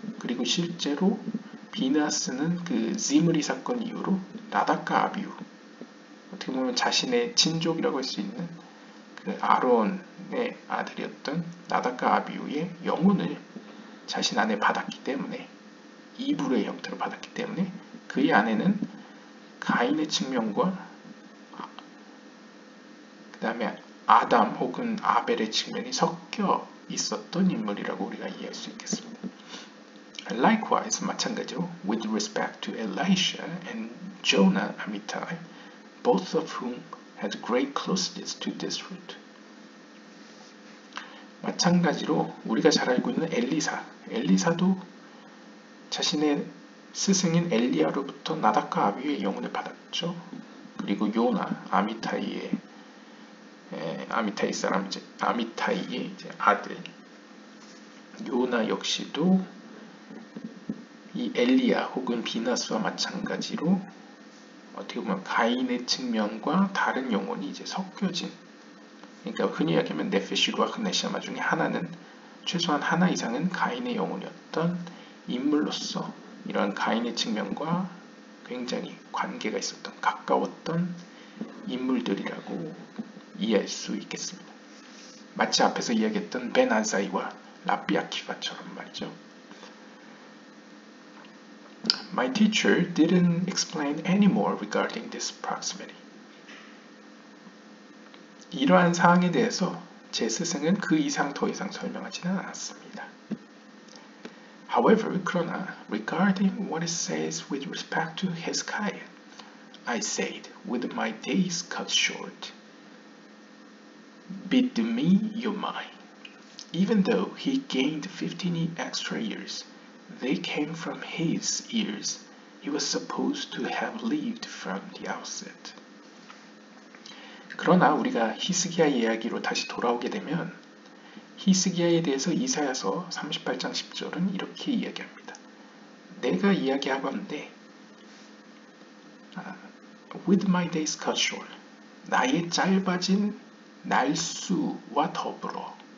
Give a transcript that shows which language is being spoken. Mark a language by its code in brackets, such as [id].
[ko] 그리고 실제로 비나스는 그 지므리 사건 이후로 나답과 아비우, 어떻게 보면 자신의 친족이라고 할 수 있는 그 아론의 아들이었던 나답과 아비우의 영혼을 자신 안에 받았기 때문에 이브로의 형태로 받았기 때문에 그의 안에는 가인의 측면과 그 다음에 아담 혹은 아벨의 측면이 섞여 있었던 인물이라고 우리가 이해할 수 있겠습니다. [en] Likewise, [ko] 마찬가지로 [en] with respect to Elisha and Jonah Amittai, both of whom had great closeness to this root. [ko] 마찬가지로 우리가 잘 알고 있는 엘리사도 자신의 스승인 엘리야로부터 나답과 아비우의 영혼을 받았죠. 그리고 요나 아미타이의 아들 요나 역시도 이 엘리야 혹은 비나스와 마찬가지로 어떻게 보면 가인의 측면과 다른 영혼이 이제 섞여진. 그러니까 흔히 얘기하면 네피시과 크네시아마 중에 하나는 최소한 하나 이상은 가인의 영혼이었던 인물로서 이런 가인의 측면과 굉장히 관계가 있었던 가까웠던 인물들이라고 이해할 수 있겠습니다. 마치 앞에서 이야기했던 벤 아사이와 라비 아키바처럼 말이죠. [en] My teacher didn't explain any more regarding this proximity. [ko] 이러한 사항에 대해서 제 스승은 그 이상 더 이상 설명하지는 않았습니다. [en] However, [ko] 그러나, [en] regarding what it says with respect to Hezekiah, I said, with my days cut short, bid me your mind. Even though he gained 15 extra years, they came from his ears. He was supposed to have lived from the outset. [ko] 그러나 우리가 히스기야 이야기로 다시 돌아오게 되면 히스기야에 대해서 이사야서 38장 10절은 이렇게 이야기합니다. 내가 이야기하건대 [en] With my days cut short, [ko] 나의 짧아진 날수와 더불어.